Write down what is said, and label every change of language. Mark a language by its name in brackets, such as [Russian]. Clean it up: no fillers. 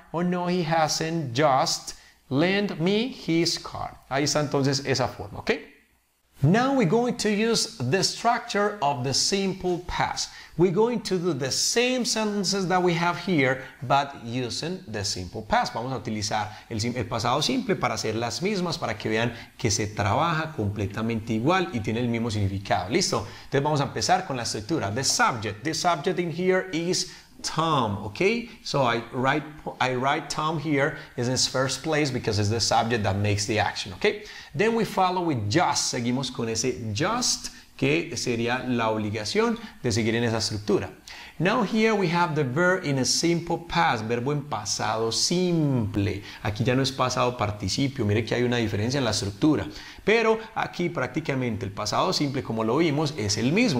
[English] O no, he hasn't just lent me his car. [Spanish] Ahí está entonces esa forma, [English] ¿ok? Now we're going to use the structure of the simple past. We're going to do the same sentences that we have here, but using the simple past. [Spanish] Vamos a utilizar el pasado simple para hacer las mismas, para que vean que se trabaja completamente igual y tiene el mismo significado. [English] ¿Listo? [Spanish] Entonces vamos a empezar con la estructura. [English] The subject. The subject in here is Tom, okay? So I write Tom here in this first place because it's the subject that makes the action, okay? Then we follow with just. [Spanish] Seguimos con ese just, que sería la obligación de seguir en esa estructura. [English] Now here we have the verb in a simple past, [Spanish] verbo en pasado simple. Aquí ya no es pasado participio, mire que hay una diferencia en la estructura. Pero aquí prácticamente el pasado simple, como lo vimos, es el mismo.